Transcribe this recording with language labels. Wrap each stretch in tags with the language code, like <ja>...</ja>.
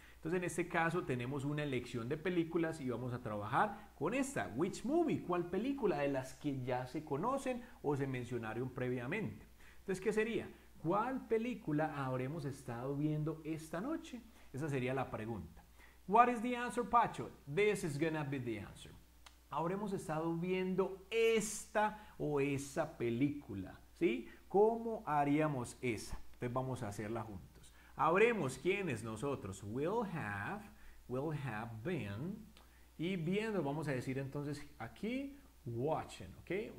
<es>Entonces, en este caso, tenemos una elección de películas y vamos a trabajar con esta.</es> <en>Which movie?</en> <es>¿Cuál película? De las que ya se conocen o se mencionaron previamente. Entonces, ¿qué sería? ¿Cuál película habremos estado viendo esta noche? Esa sería la pregunta.</es> <en>What is the answer, Pacho? This is gonna be the answer.</en> <es>Habremos estado viendo esta o esa película, ¿sí? ¿Cómo haríamos esa? Entonces vamos a hacerla juntos. Habremos, ¿quiénes? Nosotros.</es> <en>Will have been.</en> <es>Y viendo, vamos a decir entonces aquí, watching, ¿ok?</es>